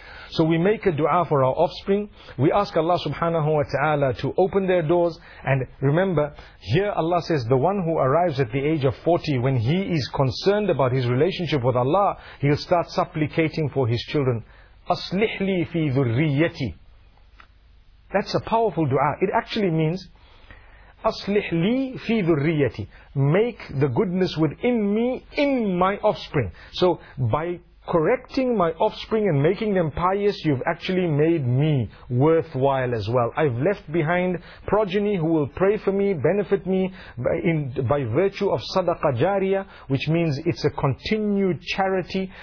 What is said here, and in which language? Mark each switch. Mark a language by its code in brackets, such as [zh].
[en] So we make a dua for our offspring. We ask Allah subhanahu wa ta'ala to open their doors. And remember, here Allah says, the one who arrives at the age of 40, when he is concerned about his relationship with Allah, he'll start supplicating for his children. [ar] أَصْلِحْ لِي فِي ذُرِّيَّتِي. [en] That's a powerful dua. It actually means, [ar] أَصْلِحْ لِي فِي ذُرِّيَّتِي. [en] Make the goodness within me, in my offspring. So by correcting my offspring and making them pious, you've actually made me worthwhile as well. I've left behind progeny who will pray for me, benefit me by virtue of sadaqah jariyah, which means it's a continued charity.